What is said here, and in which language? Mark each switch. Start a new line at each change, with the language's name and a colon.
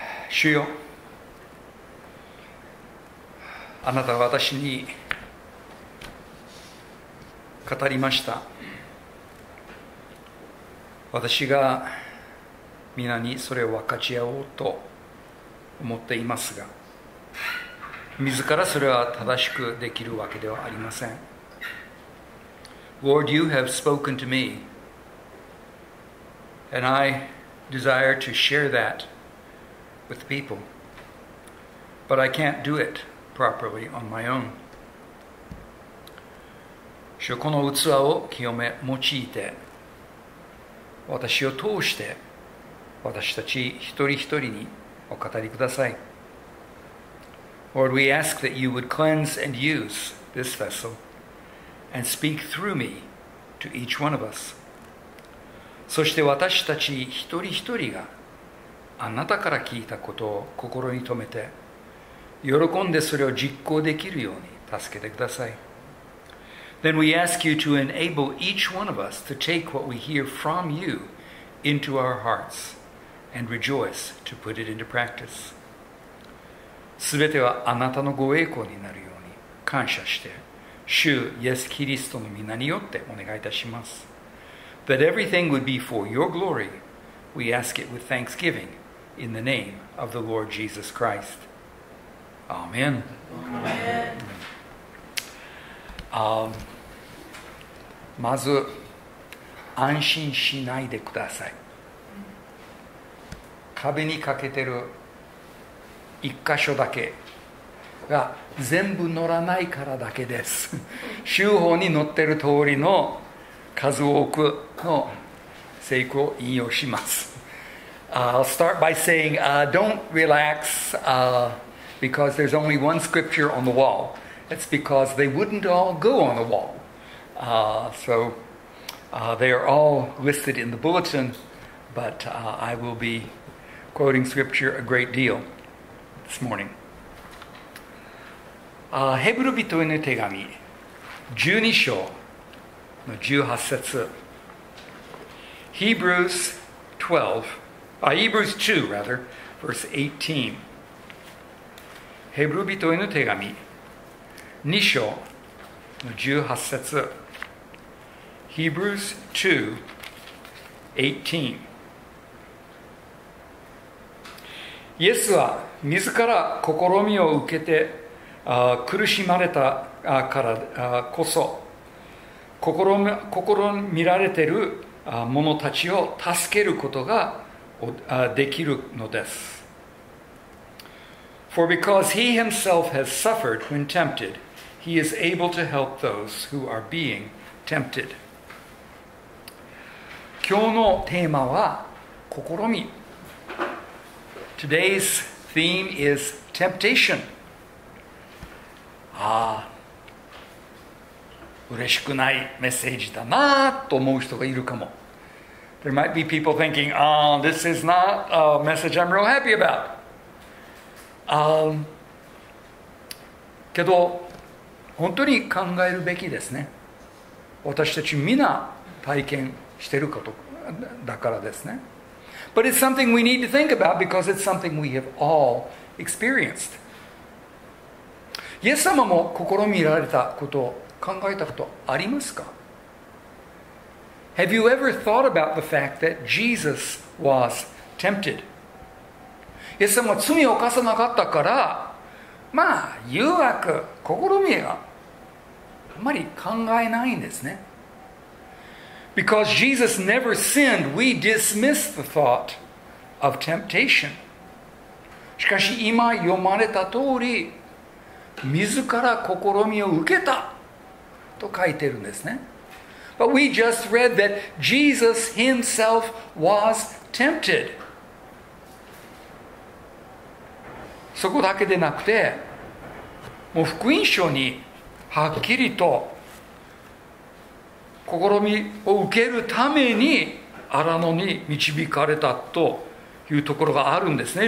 Japanese: 主よ、あなたは私に語りました。私が皆にそれを分かち合おうと思っていますが、自らそれは正しくできるわけではありません。
English: Lord, you have spoken to me, and I desire to share that with people, but I can't do itproperly on my own.
Japanese: 主よ、この器を清め用いて、私を通して私たち一人一人にお語りください。
English: Lord, we ask that you would cleanse and use this vessel and speak through me to each one of us.
Japanese: そして私たち一人一人があなたから聞いたことを心に留めて、喜んでそれを実行できるように助けてください。
English: Then we ask you to enable each one of us to take what we hear from you into our hearts and rejoice to put it into practice.
Japanese: すべてはあなたのご栄光になるように感謝して、主イエスキリストの名によってお願いいたします。
English: That everything would be for your glory, we ask it with thanksgiving in the name of the Lord Jesus Christ.
Japanese: アーメン。まず安心しないでください。壁にかけてる一箇所だけが全部乗らないからだけです。修法に乗ってる通りの数多くの聖句を引用します。
English: I'll start by saying、don't relaxBecause there's only one scripture on the wall. It's because they wouldn't all go on the wall. So they are all listed in the bulletin, but I will be quoting scripture a great deal this morning.
Japanese: ヘブル人への手紙12章の18節。
English: Hebrews 2, rather, verse 18.
Japanese: ヘブル人への手紙2章の18節
English: Hebrews 2:18
Japanese: イエスは自ら試みを受けて苦しまれたからこそ試みられている者たちを助けることができるのです。
English: For because he himself has suffered when tempted, he is able to help those who are being tempted.
Japanese: 今日のテーマは試み。
English: Today's theme is temptation.
Japanese: 嬉しくないメッセージだなと思う人がいるかも。
English: There might be people thinking, this is not a message I'm real happy about.
Japanese: けど本当に考えるべきですね。私たちみんな体験してることだからですね。
English: But it's something we need to think about because it's something we have all experienced.
Japanese: イエス様も試みられたこと考えたことありますか？
English: Have you ever thought about the fact that Jesus was tempted?
Japanese: イエス様は罪を犯さなかったから、まあ誘惑、試みはあまり考えないんですね。
English: Because Jesus never sinned, we dismiss the thought of temptation.
Japanese: しかし今読まれた通り、自ら試みを受けたと書いてるんですね。
English: But we just read that Jesus himself was tempted.
Japanese: そこだけでなくて、もう福音書にはっきりと試みを受けるために荒野に導かれたというところがあるんですね。